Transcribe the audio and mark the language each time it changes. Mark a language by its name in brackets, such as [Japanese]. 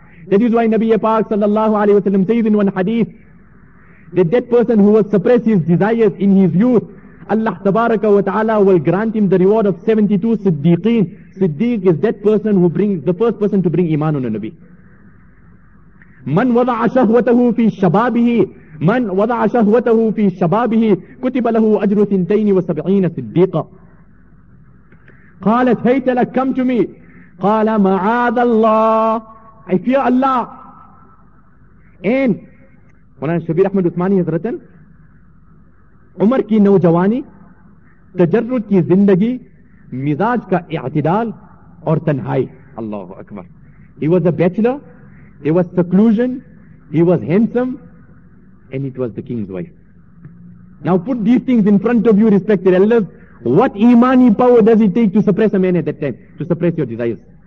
[English] That is why Nabiya Pak sallallahu alayhi wa sallam says in one hadith, that person who will suppress his desires in his youth, Allah Tabaraka wa Ta'ala will grant him the reward of 72 Siddiqeen. Siddiq is that person who brings, the first person to bring iman on a Nabi. [Arabic] Man wada'a shahwatahu fi shababihi, من وضع شهوته في شبابه كتب له أجر 72 صديقا. قالت هيت لك, [English] come to me. [Arabic] قال معاذ الله, [English] I fear Allah. [Urdu] And مولانا شبير أحمد عثماني حضرت عمر کی نوجوانی, تجرد کی زندگی, مزاج کا اعتدال اور تنہائی. اللہ اکبر. [English] He was a bachelor, he was seclusion, he was handsome, and it was the king's wife. Now put these things in front of you, respected elders. What imani power does it take to suppress a man at that time, to suppress your desires?